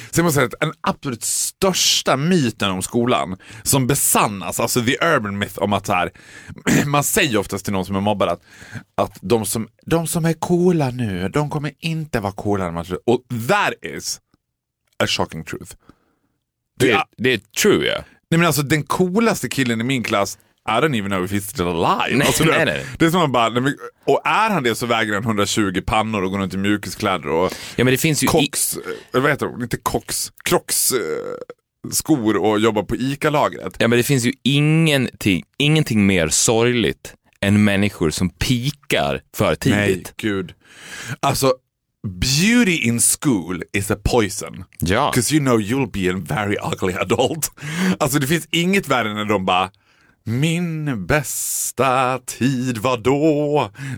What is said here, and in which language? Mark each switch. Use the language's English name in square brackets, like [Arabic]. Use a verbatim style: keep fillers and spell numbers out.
[Swedish] Sen måste jag säga att den absolut största myten om skolan som besannas, alltså [English] the urban myth [Swedish] om att så här, man säger oftast till någon som är mobbad att, att de, som, de som är coola nu, de kommer inte vara coola när man tror. [English] Och that is a shocking truth. [Swedish] Det är, det är true, ja. Nej, men alltså den coolaste killen i min klass, [English] I don't even know if he's still alive. [Swedish] Nej, alltså, nej, nej. Det är som man bara, och är han det så väger han hundratjugo pannor och går runt i mjukiskläder och ja, men det finns ju koks, i... vad heter det? Inte koks, kroks skor och jobbar på ICA-lagret. Ja, men det finns ju ingenting, ingenting mer sorgligt än människor som pikar för tidigt. Nej, gud. Alltså [English] beauty in school is a poison. [Swedish] Ja. [English] 'Cause you know you'll be a very ugly adult. [Swedish] Alltså det finns inget värre när de bara, min bästa tid var då.